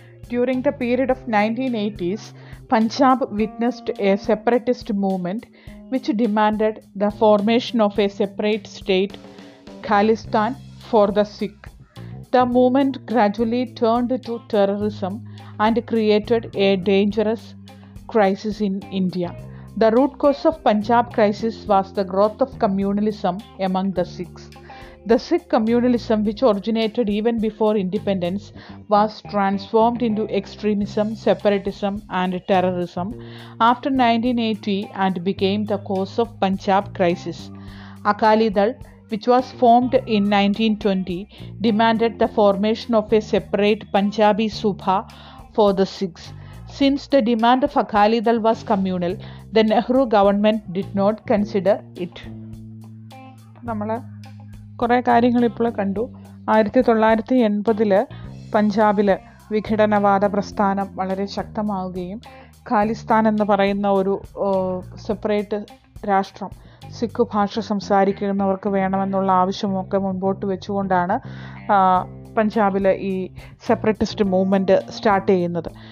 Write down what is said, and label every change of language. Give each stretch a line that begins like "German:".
English: During the period of 1980s, Punjab witnessed a separatist movement which demanded the formation of a separate state Khalistan for the Sikh. The movement gradually turned to terrorism and created a dangerous crisis in India. The root cause of Punjab crisis was the growth of communalism among the Sikhs. The Sikh communalism, which originated even before independence, was transformed into extremism, separatism and terrorism after 1980 and became the cause of Punjab crisis. Akali Dal, which was formed in 1920, demanded the formation of a separate Punjabi Subha for the Sikhs. Since the demand of Akali Dal was communal, the Nehru government did not consider it.
Malayalam: Namala കുറേ കാര്യങ്ങളിപ്പോൾ കണ്ടു. 1980 പഞ്ചാബിൽ വിഘടനവാദ പ്രസ്ഥാനം വളരെ ശക്തമാവുകയും ഖാലിസ്ഥാൻ എന്ന് പറയുന്ന ഒരു separate രാഷ്ട്രം സിഖ് ഭാഷ സംസാരിക്കുന്നവർക്ക് വേണമെന്നുള്ള ആവശ്യമൊക്കെ മുൻപോട്ട് വെച്ചുകൊണ്ടാണ് പഞ്ചാബിൽ ഈ സെപ്പറേറ്റിസ്റ്റ് മൂവ്മെൻറ്റ് സ്റ്റാർട്ട് ചെയ്യുന്നത്.